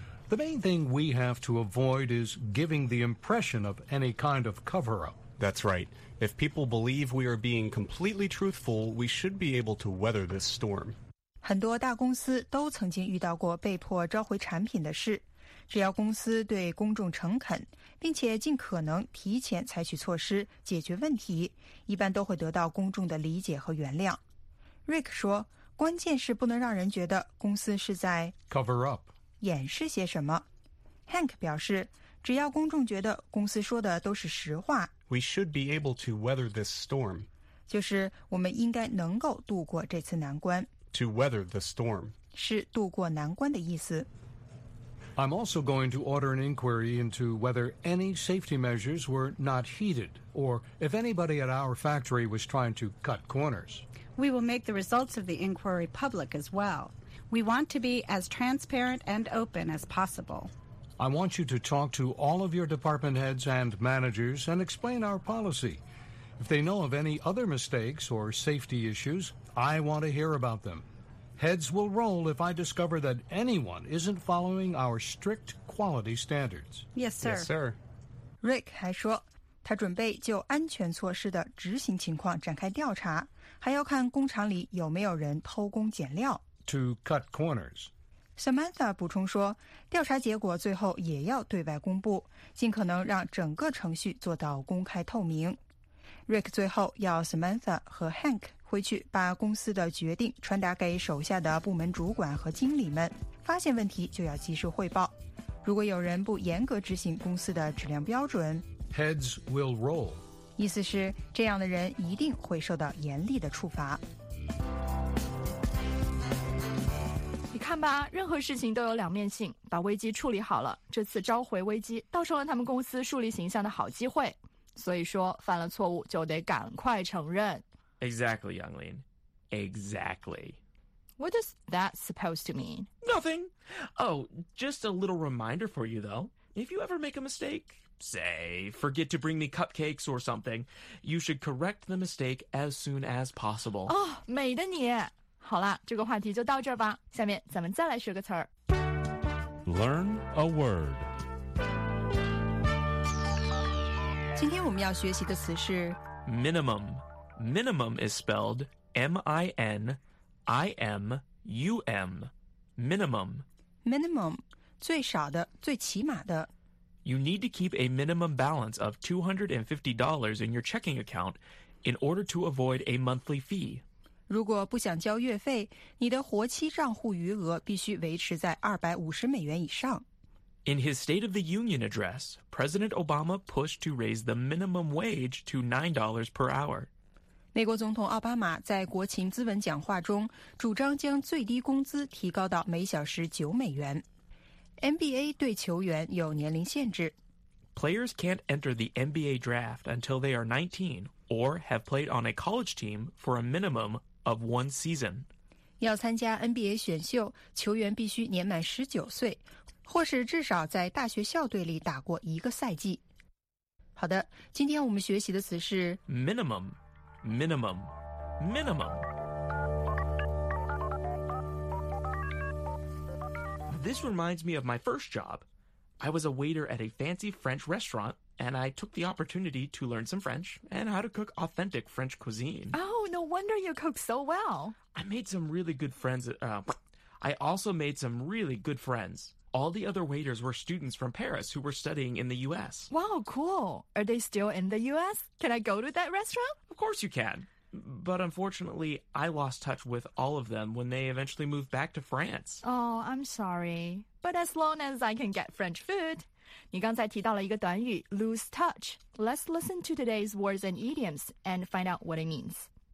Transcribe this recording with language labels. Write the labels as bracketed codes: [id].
[en] The main thing we have to avoid is giving the impression of any kind of cover-up. That's right. If people believe we are being completely truthful, we should be able to weather this storm. [zh] 很多大公司都曾经遇到过被迫召回产品的事。只要公司对公众诚恳，并且尽可能提前采取措施解决问题，一般都会得到公众的理解和原谅。 Rick 说，关键是不能让人觉得公司是在 [en] cover up [zh] 掩饰些什么。 Hank 表示，只要公众觉得公司说的都是实话 [en] ，We should be able to weather this storm， [zh] 就是我们应该能够度过这次难关。 [en] To weather the storm [zh] 是度过难关的意思。 [en] I'm also going to order an inquiry into whether any safety measures were not heeded, or if anybody at our factory was trying to cut corners. We will make the results of the inquiry public as well. We want to be as transparent and open as possible. I want you to talk to all of your department heads and managers and explain our policy. If they know of any other mistakes or safety issues, I want to hear about them. Heads will roll if I discover that anyone isn't following our strict quality standards. Yes, sir. Yes, sir. [zh] Rick 还说，他准备就安全措施的执行情况展开调查，还要看工厂里有没有人偷工减料。 [en] To cut corners. [zh] Samantha 补充说，调查结果最后也要对外公布，尽可能让整个程序做到公开透明。 Rick 最后要 Samantha 和 Hank回去把公司的决定传达给手下的部门主管和经理们，发现问题就要及时汇报。如果有人不严格执行公司的质量标准 [en] ，Heads will roll， [zh] 意思是这样的人一定会受到严厉的处罚。你看吧，任何事情都有两面性，把危机处理好了，这次召回危机倒成了他们公司树立形象的好机会。所以说，犯了错误就得赶快承认。 [en] Exactly, Younglin. Exactly. What is that supposed to mean? Nothing. Oh, just a little reminder for you, though. If you ever make a mistake, say, forget to bring me cupcakes or something, you should correct the mistake as soon as possible. [zh] Oh, 美的你。好了，这个话题就到这儿吧。下面咱们再来学个词儿。 [en] Learn a word. [zh] 今天我们要学习的词是 [en] Minimum. Minimum is spelled M-I-N-I-M-U-M. Minimum. [zh] Minimum. 最少的最起码的 [en] You need to keep a minimum balance of $250 in your checking account in order to avoid a monthly fee. [zh] 如果不想交月费你的活期账户余额必须维持在250美元以上 [en] In his State of the Union address, President Obama pushed to raise the minimum wage to $9 per hour. [zh] 美国总统奥巴马在国情咨文讲话中主张将最低工资提高到每小时九美元。 NBA 对球员有年龄限制。 [en] Players can't enter the NBA draft until they are 19 or have played on a college team for a minimum of one season. [zh] 要参加 NBA 选秀，球员必须年满19岁，或是至少在大学校队里打过一个赛季。好的，今天我们学习的词是 [en] Minimum. Minimum. Minimum. This reminds me of my first job. I was a waiter at a fancy French restaurant, and I took the opportunity to learn some French and how to cook authentic French cuisine. Oh, no wonder you cook so well. I also made some really good friends. All the other waiters were students from Paris who were studying in the U.S. Wow, cool. Are they still in the U.S.? Can I go to that restaurant? Of course you can. But unfortunately, I lost touch with all of them when they eventually moved back to France. Oh, I'm sorry. But as long as I can get French food. [zh] 你刚才提到了一个短语 lose touch. [en] Let's listen to today's words and idioms and find out what it means.